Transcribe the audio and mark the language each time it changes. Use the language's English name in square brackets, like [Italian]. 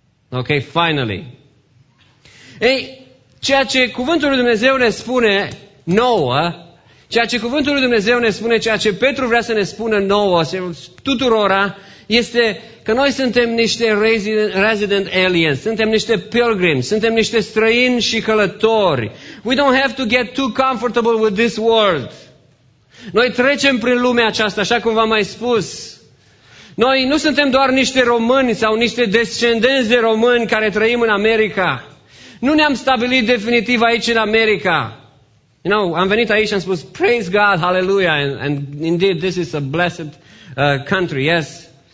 [English] Ok, finally. [Romanian] Ei, ceea ce cuvântul lui Dumnezeu ne spune nouă, ceea ce cuvântul lui Dumnezeu ne spune, ceea ce Petru vrea să ne spună nouă, tuturora, este că noi suntem niște resident aliens, suntem niște pilgrims, suntem niște străini și călători. [English] We don't have to get too comfortable with this world. [Romanian] Noi trecem prin lumea aceasta, așa cum v-am mai spus. Noi nu suntem doar niște români sau niște descendenți de români care trăim în America. Nu ne-am stabilit definitiv aici în America. [English] You know, [Romanian] am venit aici și am spus, [English] praise God, hallelujah, and indeed this is a blessed country, yes.